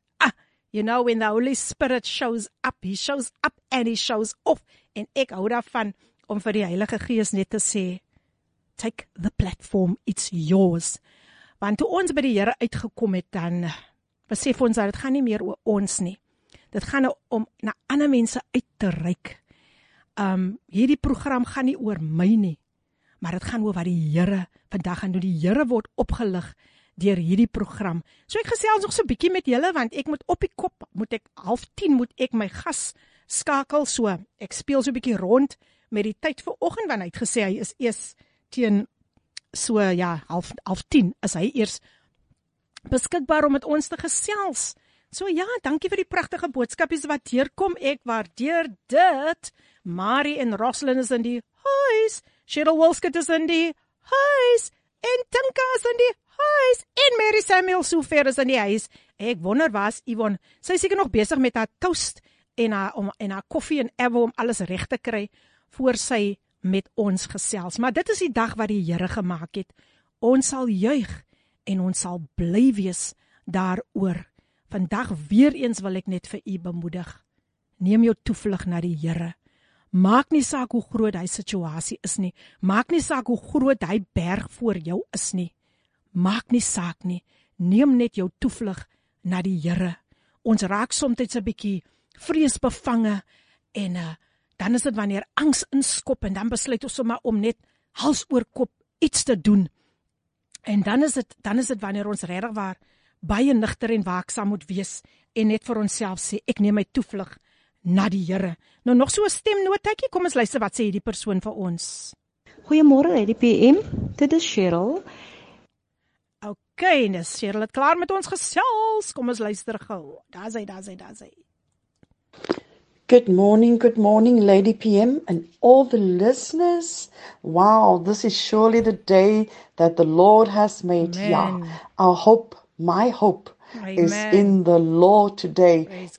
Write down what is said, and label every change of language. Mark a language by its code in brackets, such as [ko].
[en] Ah, you know when the Holy Spirit shows up and he shows off, [af] en ek hou daarvan om vir die Heilige Gees net te sê, [en] take the platform, it's yours. [af] Want toe ons by die Here uitgekom het, dan besef ons dat dit gaan nie meer oor ons nie. Dit gaan om na ander mense uit te reik. Hierdie program gaan nie oor my nie, maar dit gaan oor wat die Here vandag gaan doen. Die Here word opgelig deur hierdie program. So ek gesels nog so 'n bietjie met julle, want ek moet op die kop, moet ek 9:30 moet ek my gas skakel, so ek speel so 'n bietjie rond met die tyd vir oggend, want hy het gesê hy is eers teen so ja, 9:30 is hy eers beskikbaar om met ons te gesels. So ja, dankie vir die pragtige boodskapies wat deurkom. Ek waardeer dit. Marie en Roslyn is in die huis. Cheryl Wilskut is in die huis. En Tinka is in die huis. En Mary Samuel Soever is in die huis. Ek wonder waar is Yvonne. Sy is seker nog besig met haar toast en haar koffie en ever om alles reg te kry voor sy met ons gesels. Maar dit is die dag wat die Here gemaak het. Ons sal juig en ons sal bly wees daaroor. Vandag weer eens wil ek net vir u bemoedig. Neem jou toevlug na die Here. Maak nie saak hoe groot hy situasie is nie. Maak nie saak hoe groot hy berg voor jou is nie. Maak nie saak nie. neem net jou toevlug na die Here. Ons raak soms 'n bietjie vreesbevange en dan is dit wanneer angs inskop en dan besluit ons sommer om net hals oor kop iets te doen. En dan is dit wanneer ons regtig waar baie nigter en waaksaam moet wees en net vir onsself sê ek neem my toevlug na die Here. Nou nog so 'n stemnotetjie, kom ons luister wat sê hierdie persoon vir ons. Goeiemôre uit die PM, dit is Cheryl. Okay, dis Cheryl, het klaar met ons gesels. Kom ons luister gou. Daar sê. [en] Good morning, Lady PM and all the listeners. Wow, this is surely the day that the Lord has made. Amen. Yeah, my hope Amen. Is in the Lord today. Praise